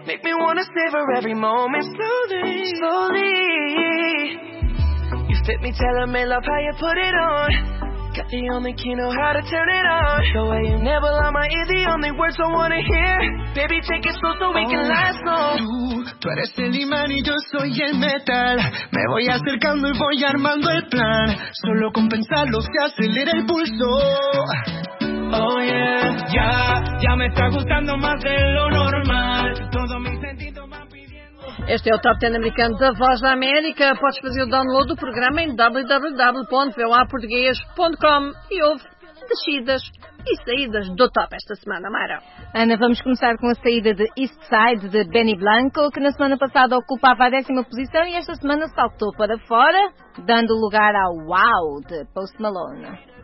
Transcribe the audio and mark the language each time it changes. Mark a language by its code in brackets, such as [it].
[en] Make me wanna savor every moment slowly, slowly. You fit me, tell me, love how you put it on. Got the only key, know how to turn it on. The way you never lie, my ear, the only words I wanna hear. Baby, take it slow so we can last long. [es] Tú eres el imán y yo soy el metal. Me voy acercando y voy armando el plan. Solo con pensarlo se acelera el pulso. Oh yeah, ya, ya me está gustando más de lo normal. Todo mi sentido más. [pt] Este é o Top 10 americano da Voz da América. Podes fazer o download do programa em www.voaportugues.com e ouve descidas e saídas do Top esta semana, Mara. Ana, vamos começar com a saída de Eastside, de Benny Blanco, que na semana passada ocupava a 10ª posição e esta semana saltou para fora, dando lugar ao Wow, de Post Malone.